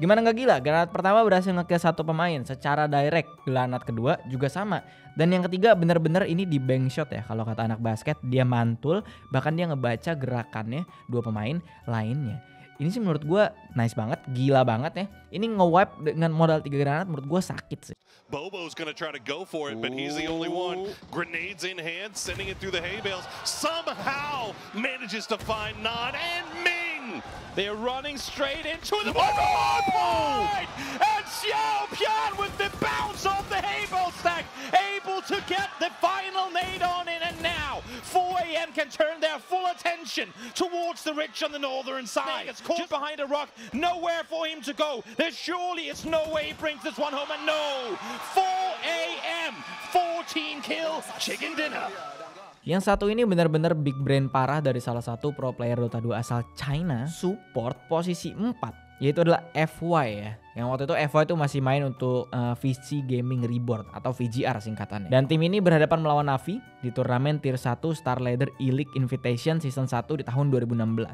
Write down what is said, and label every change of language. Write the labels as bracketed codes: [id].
[id] Gimana gak gila, granat pertama berhasil nge-kill satu pemain secara direct. Granat kedua juga sama. Dan yang ketiga benar-benar ini di bank shot ya. Kalau kata anak basket, dia mantul, bahkan dia ngebaca gerakannya dua pemain lainnya. Ini sih menurut gue nice banget, gila banget ya. Ini nge-wipe dengan modal 3 granat menurut gue sakit sih. [en] Bobo's gonna try to go for it, but he's the only one. Grenades in hand, sending it through the hay bales. Somehow manages to find Nod and Ming. They're running straight into the point. And Xiao Pian with the bounce off the hay bale stack. Able to get the final nade on it. And now 4AM can turn their full attention towards the ridge on the northern side. It's caught just behind a rock. Nowhere for him to go. There surely is no way he brings this one home. And no, 4AM, 14 kills, chicken dinner. [id] Yang satu ini benar-benar big brain parah dari salah satu pro player Dota 2 asal China, support posisi 4, yaitu adalah FY ya. Yang waktu itu FY itu masih main untuk VC Gaming Reborn atau VGR singkatannya. Dan tim ini berhadapan melawan Navi di turnamen Tier 1 Star Ladder Elite Invitation Season 1 di tahun 2016.